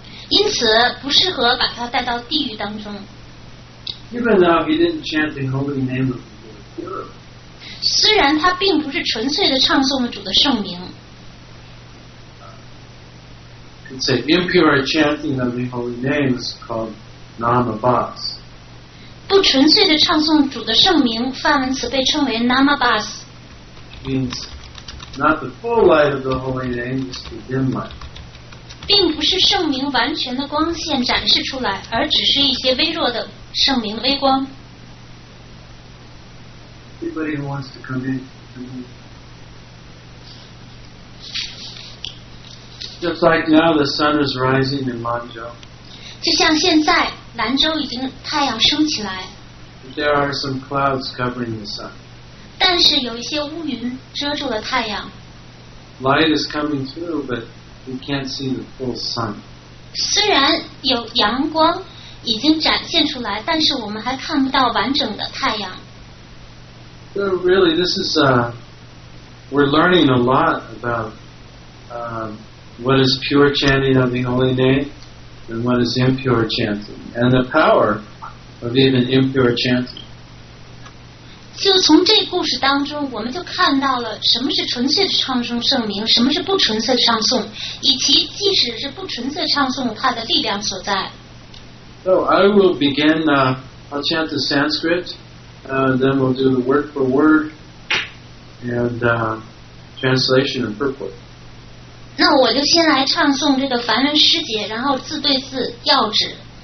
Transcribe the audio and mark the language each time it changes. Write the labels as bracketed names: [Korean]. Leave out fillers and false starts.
[Chinese] 因此，不适合把他带到地狱当中。 [English] Even though he didn't chant the holy name of the Lord, [Chinese] 虽然他并不是纯粹的唱诵了主的圣名。 [English] It's an impure chanting of the holy names called Nama Bas. [Chinese] 不纯粹的唱诵主的圣名，梵文词被称为 Nama Bas. [English] Means not the full light of the holy name, just the dim light. [Chinese] 并不是圣名完全的光线展示出来，而只是一些微弱的圣名微光。 [English] Anybody who wants to come in. Just like now, the sun is rising in Lanzhou. [Chinese] 就像现在，兰州已经太阳升起来。 [English] There are some clouds covering the sun. [Chinese] 但是有一些乌云遮住了太阳。 [English] Light is coming through, but we can't see the full sun. [Chinese] 虽然有阳光已经展现出来，但是我们还看不到完整的太阳。 [English] So really, this is we're learning a lot about. What is pure chanting of the holy name and what is impure chanting and the power of even impure chanting [Chinese] 就从这故事当中我们就看到了什么是纯粹的唱诵圣名什么是不纯粹的唱诵以及即使是不纯粹唱诵它的力量所在 [English] So I will begin I'll chant the Sanskrit then we'll do the word for word and translation and purport [Chinese] 那我就先来唱诵这个梵文诗节，然后字对字要旨。